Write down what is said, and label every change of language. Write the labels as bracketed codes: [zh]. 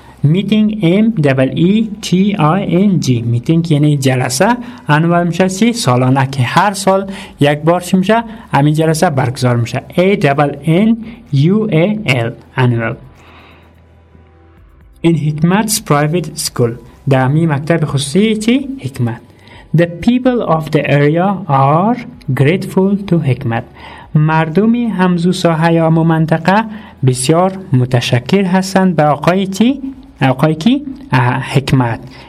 [fa] میتینگ M-E-T-I-N-G میتینگ یعنی جلسه انوال میشه سی سالانه که هر سال یک بار میشه همین جلسه برگزار میشه A-N-U-A-L انوال. [en] In Hikmat's private school [fa] در همین مکتب خصوصی چی؟ حکمت. [en] The people of the area are grateful to Hikmat. [fa] مردمی همزو ساحه یا منطقه بسیار متشکر هستند به آقای چی؟ آقای کی؟ حکمت.